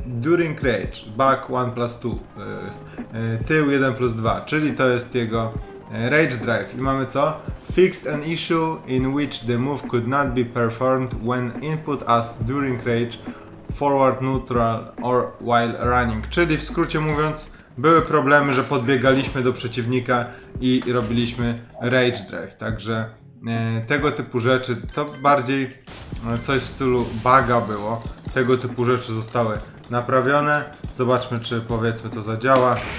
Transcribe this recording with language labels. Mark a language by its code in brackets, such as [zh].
[en] During Rage, back 1 plus 2, [pl] tył 1 plus 2, czyli to jest jego Rage Drive. I mamy co? [en] Fixed an issue in which the move could not be performed when input as during Rage, forward neutral or while running. [pl] Czyli w skrócie mówiąc, były problemy, że podbiegaliśmy do przeciwnika i robiliśmy Rage Drive. Także tego typu rzeczy, to bardziej coś w stylu buga było. Tego typu rzeczy zostały naprawione. Zobaczmy, czy powiedzmy to zadziała.